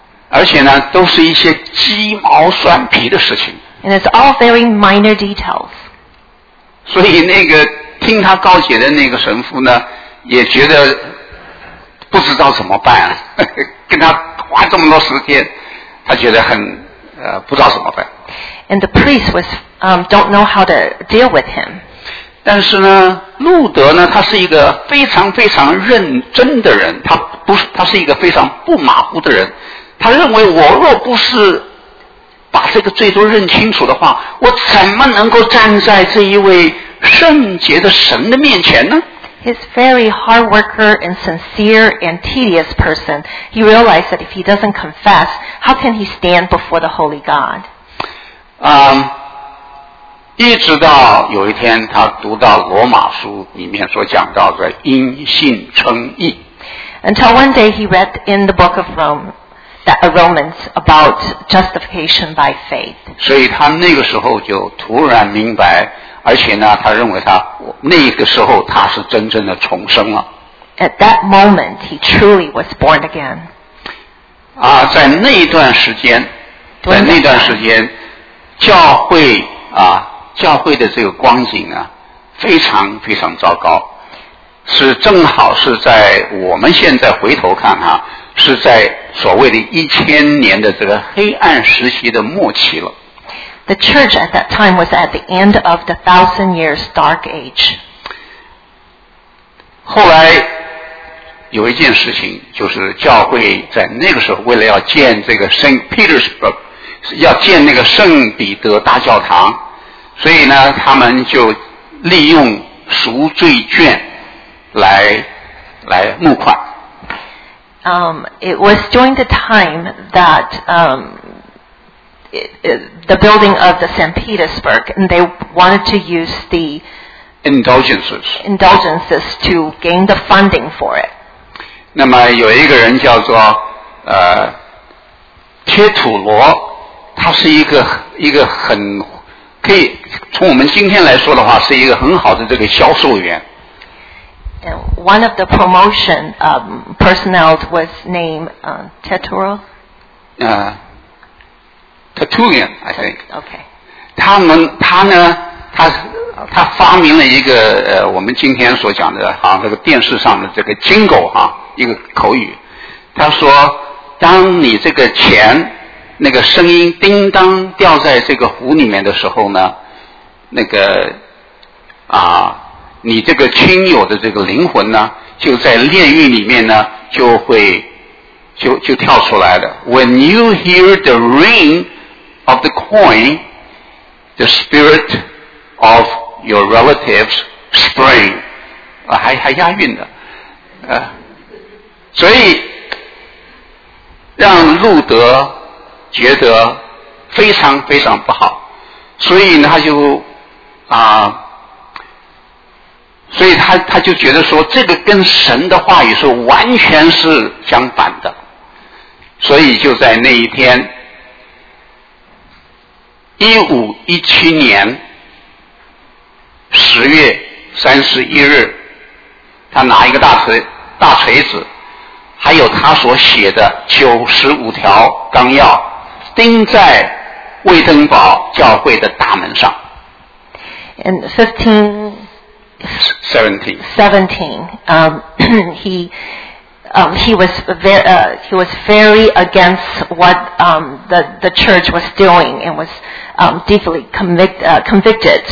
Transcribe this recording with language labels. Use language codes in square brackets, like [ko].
[zh] 而且呢，都是一些鸡毛蒜皮的事情。 [en] And it's all very minor details. [zh] 所以那个听他告解的那个神父呢，也觉得不知道怎么办啊，跟他花这么多时间，他觉得很不知道怎么办。 [en] And the priest was don't know how to deal with him. [zh] 但是呢，路德呢，他是一个非常非常认真的人，他是一个非常不马虎的人。他认为我若不是把这个罪都认清楚的话，我怎么能够站在这一位圣洁的神的面前呢？ [en] He's a very hard worker and sincere and tedious person. He realized that if he doesn't confess, how can he stand before the holy God? [zh] 一直到有一天他读到罗马书里面所讲到的因信称义。 [en] Until one day he read in the book of Rome, that Romans about justification by faith. [zh] 所以他那个时候就突然明白，而且呢，他认为他那个时候他是真正的重生了。 [en] At that moment, he truly was born again. [zh] 啊，在那一段时间，在那段时间，教会啊，教会的这个光景啊，非常非常糟糕，是正好是在我们现在回头看哈、啊，是在所谓的1000年的这个黑暗时期的末期了。 [en] The church at that time was at the end of the 1000 years dark age. [zh] 后来有一件事情，就是教会在那个时候为了要建这个 St. Petersburg， 要建那个圣彼得大教堂，所以呢，他们就利用赎罪券来募款。 [en] It was during the time that the building of the St. Petersburg, and they wanted to use the indulgences to gain the funding for it. [zh] 那么有一个人叫做贴土罗，他是一个很可以从我们今天来说的话，是一个很好的这个销售员。 [en] One of the promotion personnel was named Tetoro. Tertullian, I think. Okay. [zh] 他发明了一个我们今天所讲的啊，这个电视上的这个 jingle 啊，一个口语。他说，当你这个钱那个声音叮当掉在这个湖里面的时候呢，那个啊，你这个亲友的这个灵魂呢，就在炼狱里面呢，就跳出来了。 [en] When you hear the ring of the coin, the spirit of your relatives spring. [zh] 还押韵的。所以让路德觉得非常非常不好，所以他就觉得说这个跟神的话语是完全是相反的，所以就在那一天 1517年10月31日，他拿一个大锤子，还有他所写的95条纲要，钉在卫登堡教会的大门上。 [en] In 1517, he was very against what the church was doing and was deeply convicted.